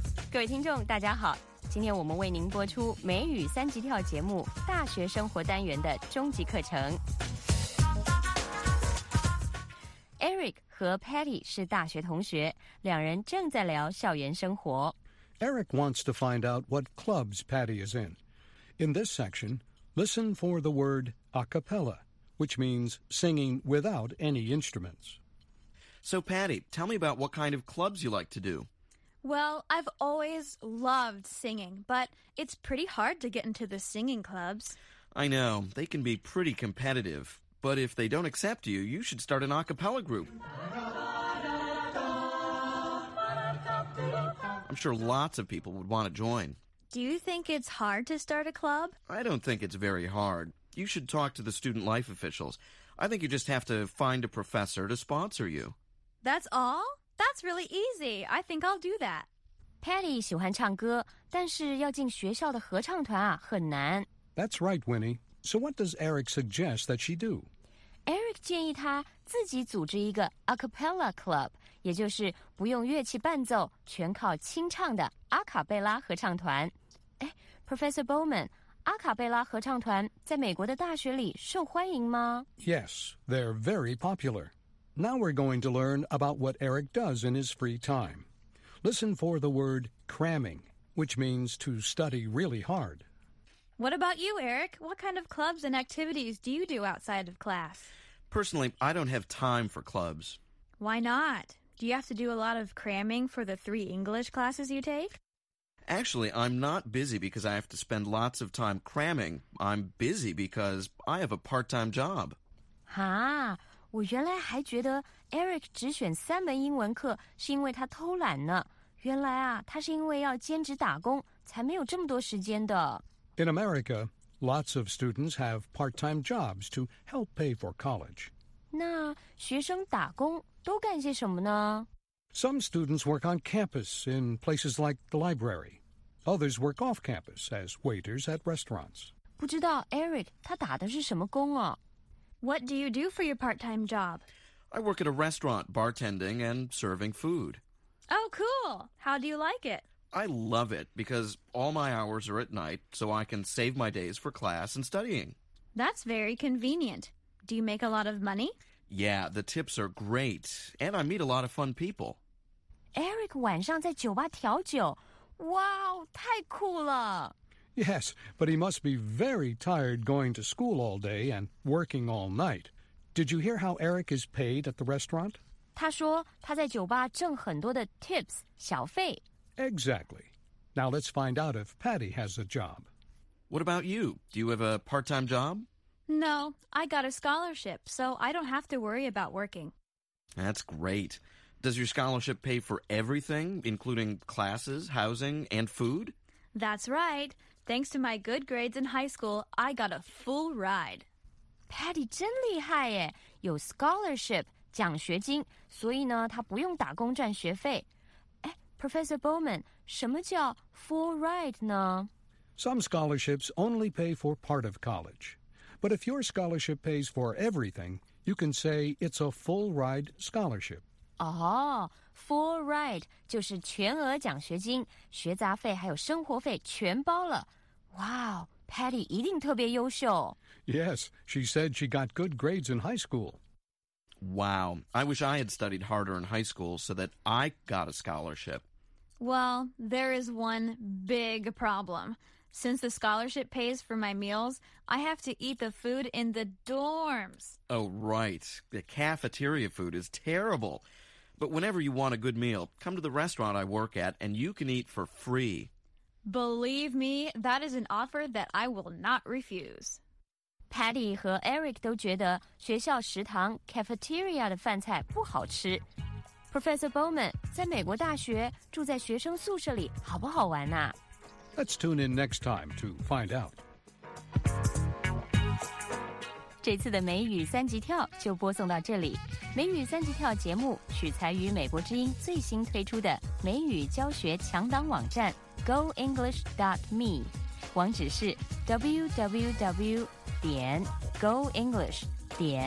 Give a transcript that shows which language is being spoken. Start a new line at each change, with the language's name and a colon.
Chinese: 各位听众大家好，今天我们为您播出美语三级跳节目大学生活单元的终极课程。 Eric 和 Patty 是大学同学，两人正在聊校园生活。
English: Eric wants to find out what clubs Patty is in. In this section, listen for the word a cappella, which means singing without any instruments. So Patty, tell me about what kind of clubs you like to do Well, I've always loved singing, but it's pretty hard to get into the singing clubs. I know, they can be pretty competitive. But if they don't accept you, you should start an a cappella group. I'm sure lots of people would want to join. Do you think it's hard to start a club? I don't think it's very hard. You should talk to the student life officials. I think you just have to find a professor to sponsor you. That's all? That's really easy. I think I'll do that.
Chinese: Patty 喜欢唱歌，但是要进学校的合唱团啊，很难。
English: That's right, Winnie. So what does Eric suggest that she do?
Chinese: Eric 建议他自己组织一个 a cappella club, 也就是不用乐器伴奏，全靠清唱的阿卡贝拉合唱团。哎，Professor Bowman, 阿卡贝拉合唱团在美国的大学里受欢迎吗？
English: Yes, they're very popular. Now we're going to learn about what Eric does in his free time. Listen for the word cramming, which means to study really hard. What about you, Eric? What kind of clubs and activities do you do outside of class? Personally, I don't have time for clubs. Why not? Do you have to do a lot of cramming for the three English classes you take? Actually, I'm not busy because I have to spend lots of time cramming. I'm busy because I have a part-time job. Huh?
Chinese: 我原来还觉得 Eric 只选三门英文课是因为他偷懒呢。原来啊，他是因为要兼职打工，才没有这么多时间的。
English: In America, lots of students have part-time jobs to help pay for college.
Chinese: 那学生打工都干些什么呢？
English: Some students work on campus in places like the library. Others work off campus as waiters at restaurants.
Chinese: 不知道 Eric 他打的是什么工啊？
English: What do you do for your part-time job? I work at a restaurant, bartending and serving food. Oh, cool. How do you like it? I love it because all my hours are at night, so I can save my days for class and studying. That's very convenient. Do you make a lot of money? Yeah, the tips are great, and I meet a lot of fun people.
Chinese: Eric 晚上在酒吧调酒。 Wow, 太酷了。
English: Yes, but he must be very tired going to school all day and working all night. Did you hear how Eric is paid at the restaurant?
Chinese: 他说他在酒吧挣很多的 tips, 小费。
English: Exactly. Now let's find out if Patty has a job. What about you? Do you have a part-time job? No, I got a scholarship, so I don't have to worry about working. That's great. Does your scholarship pay for everything, including classes, housing, and food? That's right. Thanks to my good grades in high school, I got a full ride.
Chinese: Patty 真厉害耶，有 scholarship, 奖学金，所以呢，她不用打工赚学费。哎，Professor Bowman, 什么叫 full ride 呢？
English: Some scholarships only pay for part of college. But if your scholarship pays for everything, you can say it's a full ride scholarship.
Chinese: Oh, full ride 就是全额奖学金，学杂费还有生活费全包了。 Wow, Patty 一定特别优秀。
English: Yes, she said she got good grades in high school. Wow, I wish I had studied harder in high school so that I got a scholarship. Well, there is one big problem. Since the scholarship pays for my meals, I have to eat the food in the dorms. Oh, right. The cafeteria food is terrible. But whenever you want a good meal, come to the restaurant I work at and you can eat for free. Believe me, that is an offer that I will not refuse.
Chinese: Patty 和 Eric 都觉得学校食堂 cafeteria 的饭菜不好吃。 Professor Bowman, 在美国大学住在学生宿舍里好不好玩啊？
English: Let's tune in next time to find out.
Chinese: 这次的美语三级跳就播送到这里。美语三级跳节目取材于美国之音最新推出的美语教学强档网站 goenglish.me， 网址是 www.goenglish.me。